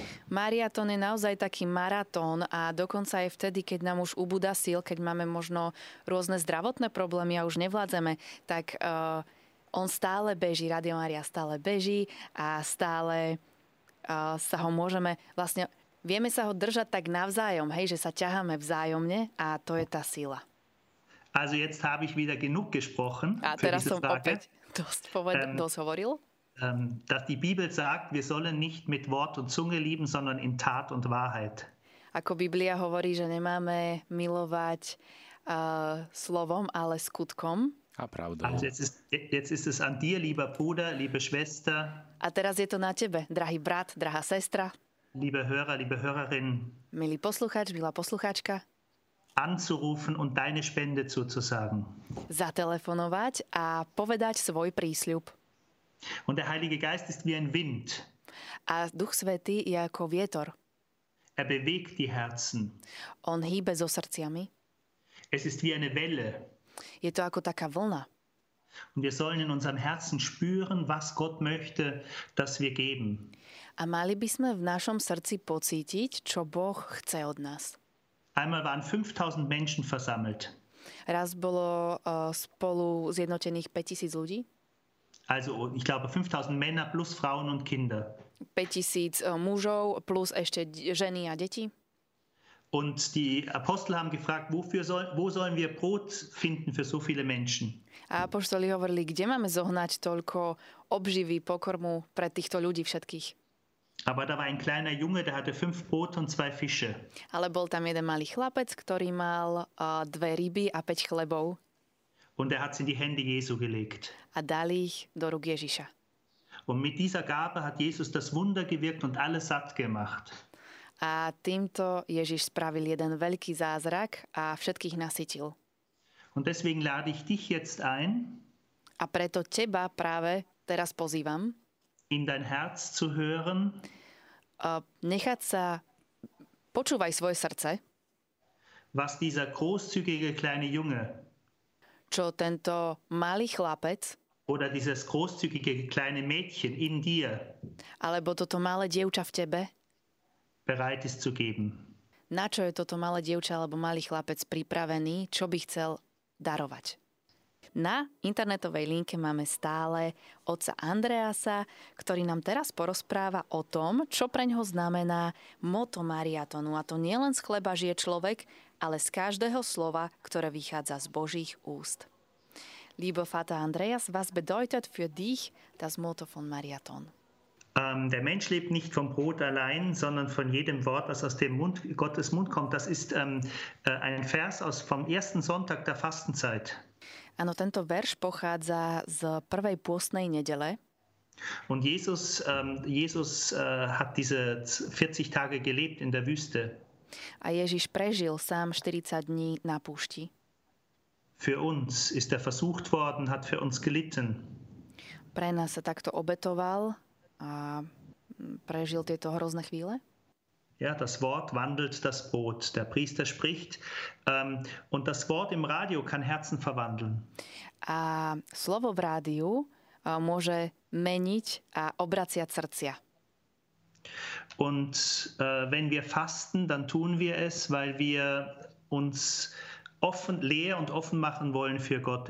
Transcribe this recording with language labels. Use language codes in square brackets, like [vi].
[sk] Mariatón je naozaj taký maratón a dokonca aj vtedy, keď nám už ubúda síl, keď máme možno rôzne zdravotné problémy a už nevládzeme, tak on stále beží, Rádio Mária stále beží a stále sa ho môžeme, vlastne vieme sa ho držať tak navzájom, hej, že sa ťaháme vzájomne a to je tá sila. [de] Also jetzt habe ich wieder genug gesprochen. [sk] A teraz som opäť dosť hovoril. [de] Dass die Bibel sagt, wir sollen nicht mit Wort und Zunge lieben, sondern in Tat und Wahrheit. [sk] Ako Biblia hovorí, že nemáme milovať slovom, ale skutkom. A pravdou. [de] Also jetzt ist es an dir, lieber Bruder, liebe Schwester. [sk] A teraz je to na tebe, drahý brat, drahá sestra. [de] Liebe Hörer, liebe Hörerin. [sk] Milý poslucháč, milá poslucháčka. [de] Anzurufen und deine Spende zuzusagen. [sk] Zatelefonovať a povedať svoj prísľub. [de] Und der Heilige Geist ist wie ein Wind. [sk] A Duch Svätý je ako vietor. [de] Er bewegt die Herzen. [sk] On hýbe so srdciami. [de] Es ist wie eine Welle. [sk] Je to ako taká vlna. [de] Und wir sollen in unserem Herzen spüren, was Gott möchte, dass wir geben. [sk] A mali by sme v našom srdci pocítiť, čo Boh chce od nás. [de] Einmal waren 5000 Menschen versammelt. [sk] Raz bolo spolu zjednotených 5000 ľudí. [de] Also, ich glaube, 5000 Männer plus Frauen und Kinder. [sk] 5000 mužov plus ešte ženy a deti. [de] Und die Apostel haben gefragt, wo sollen wir Brot finden für so viele Menschen? [sk] A apoštoli hovorili, kde máme zohnať toľko obživy, pokrmu pre týchto ľudí všetkých. [de] Aber da war ein kleiner Junge, der hatte 5 Brot und 2 Fische. [sk] Ale bol tam jeden malý chlapec, ktorý mal 2 ryby a 5 chlebov. [de] Und er hat sie in die Hände Jesu gelegt. [sk] A dali ich do rúk Ježiša. [de] Und mit dieser Gabe hat Jesus das Wunder gewirkt und alle satt gemacht. [sk] A týmto Ježiš spravil jeden veľký zázrak a všetkých nasytil. [de] Und deswegen lade ich dich jetzt ein. [sk] A preto teba práve teraz pozývam. [de] In dein Herz zu hören. [sk] Nechať sa, počúvaj svoje srdce. [de] Was dieser großzügige kleine Junge. [sk] Čo tento malý chlapec. [de] Oder dieses großzügige kleine Mädchen in dir. [sk] Alebo toto malé dievča v tebe. [de] Bereit ist zu geben. [sk] Na čo je toto malé dievča alebo malý chlapec pripravený, čo by chcel darovať? Na internetovej linke máme stále otca Andreasa, ktorý nám teraz porozpráva o tom, čo preňho znamená motto Mariatonu. A to nie len z chleba žije človek, ale z každého slova, ktoré vychádza z Božích úst. [de] Lieber Vater Andreas, was bedeutet für dich das Motto von Mariaton? Der Mensch lebt nicht vom Brot allein, sondern von jedem Wort, was aus dem Mund Gottes Mund kommt. Das ist ein Vers vom ersten Sonntag der Fastenzeit. [sk] Ano, tento verš pochádza z prvej pôstnej nedele. [de] Und Jesus hat diese 40 Tage gelebt in der Wüste. [sk] A Ježiš prežil sám 40 dní na púšti. [de] für uns, ist er versucht worden, hat für uns gelitten. [sk] Pre nás sa takto obetoval a prežil tieto hrozné chvíle. [de] Ja, das Wort wandelt das Brot. Der Priester spricht und das Wort im Radio kann Herzen verwandeln. [sk] A slovo v rádiu môže meniť a obraciať srdcia. [de] Und wenn wir fasten, dann tun wir es, weil wir uns offen, leer und offen machen wollen für Gott.